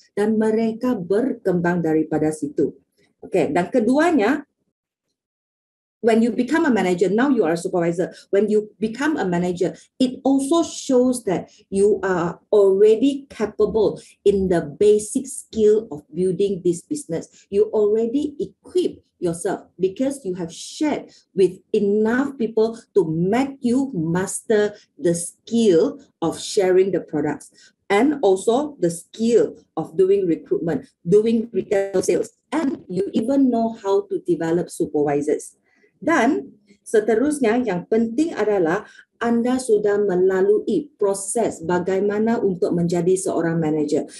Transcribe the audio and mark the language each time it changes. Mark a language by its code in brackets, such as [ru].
[ms] Dan mereka berkembang daripada situ. [en] Okay? [ms] Dan keduanya, [en] when you become a manager, now you are a supervisor. When you become a manager, it also shows that you are already capable in the basic skill of building this business. You already equip yourself because you have shared with enough people to make you master the skill of sharing the products and also the skill of doing recruitment, doing retail sales, and you even know how to develop supervisors. [ms] Dan seterusnya yang penting adalah Anda sudah melalui proses bagaimana untuk menjadi seorang manager.